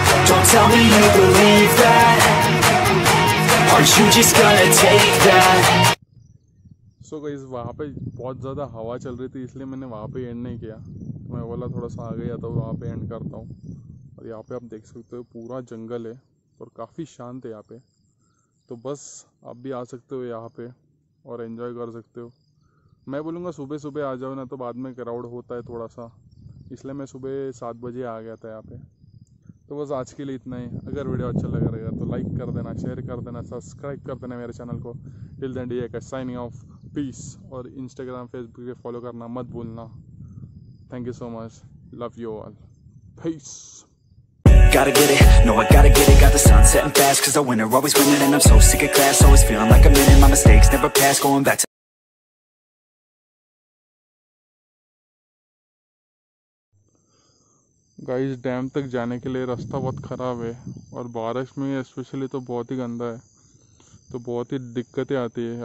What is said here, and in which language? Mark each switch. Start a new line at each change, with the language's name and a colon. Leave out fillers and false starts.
English: Don't tell me you believe that. Are you just gonna take that? So guys,
Hindi: वहाँ पे बहुत ज़्यादा हवा चल रही थी, इसलिए मैंने वहाँ पे एंड नहीं किया। तो मैं बोला थोड़ा सा आ गया तो वहाँ पे एंड करता हूँ। और यहाँ पे आप देख सकते हो पूरा जंगल है और काफ़ी शांत है यहाँ पे। तो बस आप भी आ सकते हो यहाँ पे और एंजॉय कर सकते हो। मैं बोलूँगा सुबह सुबह आ जाओ, ना तो बाद में क्राउड होता है थोड़ा सा, इसलिए मैं सुबह 7 बजे आ गया था यहाँ पे। तो बस आज के लिए इतना ही। अगर वीडियो अच्छा लग रहा है तो लाइक कर देना, शेयर कर देना, सब्सक्राइब कर देना मेरे चैनल को।
English: till then
Hindi: डी एक साइनिंग ऑफ, पीस। और इंस्टाग्राम फेसबुक पे फॉलो करना मत भूलना।
English: thank you so much, love you all,
Hindi: piece.
English: Gotta get it, no, I gotta get it. Got the sun setting fast, cause the winner always winning. And I'm so sick of class, always feeling like I'm winning. My mistakes never pass, going back to
Hindi: guys, dam तक जाने के लिए रास्ता बहुत ख़राब है और बारिश में स्पेशली तो बहुत ही गंदा है, तो बहुत ही दिक्कतें आती है।